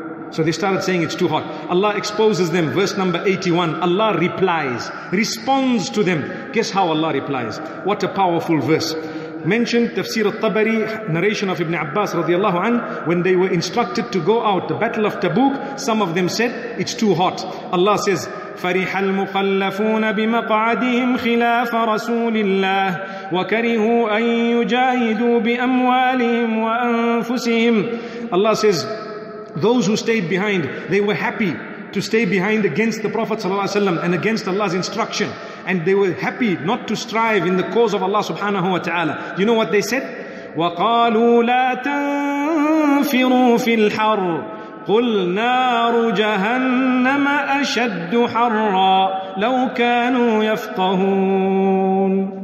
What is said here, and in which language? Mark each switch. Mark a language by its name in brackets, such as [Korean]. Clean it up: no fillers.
[English] So they started saying it's too hot. Allah exposes them. Verse number 81. Allah replies, responds to them. Guess how Allah replies. What a powerful verse. Mentioned Tafsir al-Tabari, narration of Ibn Abbas radiallahu anhu, when they were instructed to go out, the battle of Tabuk, some of them said, it's too hot. Allah says, [Arabic] فَرِحَ الْمُخَلَّفُونَ بِمَقْعَدِهِمْ خِلَافَ رَسُولِ اللَّهِ وَكَرِهُوا أَن يُجَاهِدُوا بِأَمْوَالِهِمْ وَأَنفُسِهِمْ. [English] Allah says, those who stayed behind, they were happy to stay behind against the Prophet ﷺ and against Allah's instruction. And they were happy not to strive in the cause of Allah subhanahu wa ta'ala. You know what they said? [Arabic] وَقَالُوا لَا تَنْفِرُوا فِي الْحَرُ قُلْ نَارُ جَهَنَّمَ أَشَدُّ حَرًّا لَوْ كَانُوا يَفْقَهُونَ.